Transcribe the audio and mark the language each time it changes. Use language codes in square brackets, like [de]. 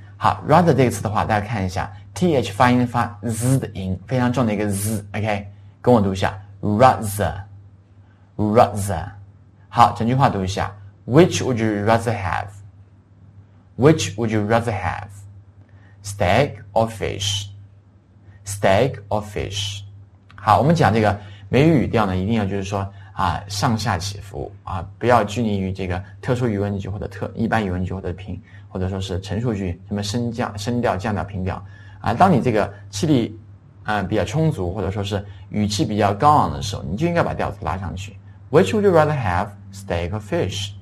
[zh] 好 ，rather 这个词的话，大家看一下 ，th 发音发 z 的音，非常重的一个 z。OK， 跟我读一下。 Rather， 好，整句话读一下。 [en] Which would you rather have? Which would you rather have? Steak or fish? Steak or fish? [zh] 好，我们讲这个谓语语调呢，一定要就是说啊，上下起伏啊，不要拘泥于这个特殊疑问句或者特一般疑问句或者平或者说是陈述句，什么升调、降调、平调啊。当你这个气力比较充足，或者说是语气比较高昂的时候，你就应该把调子拉上去。 [en] Which would you rather have, steak or fish?